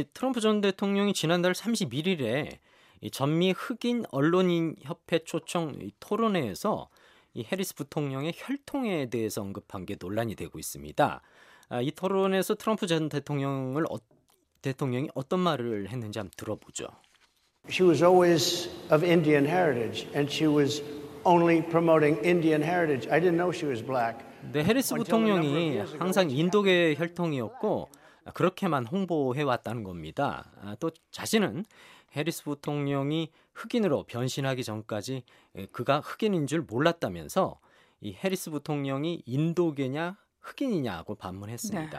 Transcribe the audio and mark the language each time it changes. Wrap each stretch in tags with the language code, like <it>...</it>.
<ko>트럼프 전 대통령이 지난달 31일에 전미 흑인 언론인 협회 초청 토론회에서 해리스 부통령의 혈통에 대해서 언급한 게 논란이 되고 있습니다. 이 토론에서 트럼프 전 대통령을 대통령이 어떤 말을 했는지 한번 들어보죠.</ko> <en>She was always of Indian heritage, and she was only promoting Indian heritage. I didn't know she was black.</en> <ko>네, 해리스 부통령이 항상 인도계 혈통이었고 그렇게만 홍보해 왔다는 겁니다. 또 자신은 해리스 부통령이 흑인으로 변신하기 전까지 그가 흑인인 줄 몰랐다면서 이 해리스 부통령이 인도계냐 흑인이냐고 반문했습니다.</ko>